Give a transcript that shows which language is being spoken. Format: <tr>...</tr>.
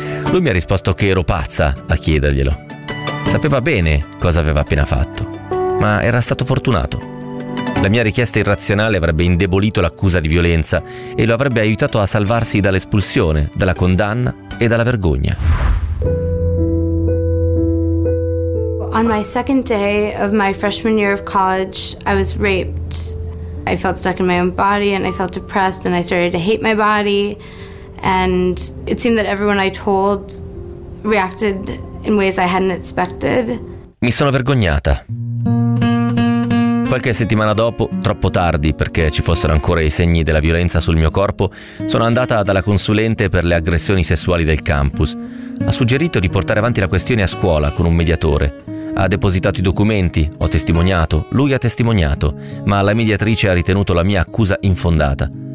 <it>Lui mi ha risposto che ero pazza a chiederglielo. Sapeva bene cosa aveva appena fatto, ma era stato fortunato. La mia richiesta irrazionale avrebbe indebolito l'accusa di violenza e lo avrebbe aiutato a salvarsi dall'espulsione, dalla condanna e dalla vergogna.</it> <en>On my second day of my freshman year of college, I was raped. I felt stuck in my own body and I felt depressed and I started to hate my body. And it seemed that everyone I told reacted in ways I hadn't expected.</en> <it>Mi sono vergognata. Qualche settimana dopo, troppo tardi perché ci fossero ancora i segni della violenza sul mio corpo, sono andata dalla consulente per le aggressioni sessuali del campus. Ha suggerito di portare avanti la questione a scuola con un mediatore. Ha depositato i documenti, ho testimoniato, lui ha testimoniato, ma la mediatrice ha ritenuto la mia accusa infondata.</it>